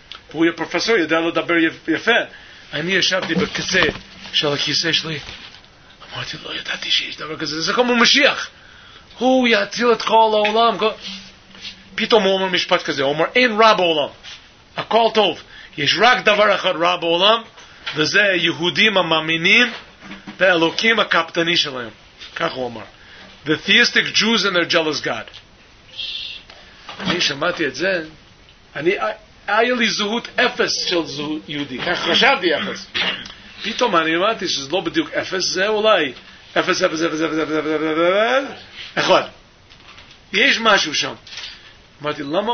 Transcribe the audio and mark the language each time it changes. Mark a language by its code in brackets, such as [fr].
[he] והוא יהיה פרופסור, יודע לדבר יפה. אני ישבתי בקצה של הכיסא שלי, אמרתי, לא ידעתי שיש דבר כזה, זה כמו משיח. הוא יעציל את כל העולם. פתאום הוא אומר משפט כזה, הוא אומר, אין רע בעולם. הכל טוב, יש רק דבר אחד רע בעולם, וזה יהודים המאמינים באלוקים הקפטני שלהם. כך הוא אמר. [en] The theistic Jews and their jealous God. [he] אני שמעתי את זה, היה לי זהות אפס של זהות יהודי. כך חשבתי אפס. פתאום אני אמרתי שזה לא בדיוק אפס, זה אולי אפס, אפס, אפס, אפס, אפס, אפס, אפס, אפס, אחד. יש משהו שם. אמרתי, למה?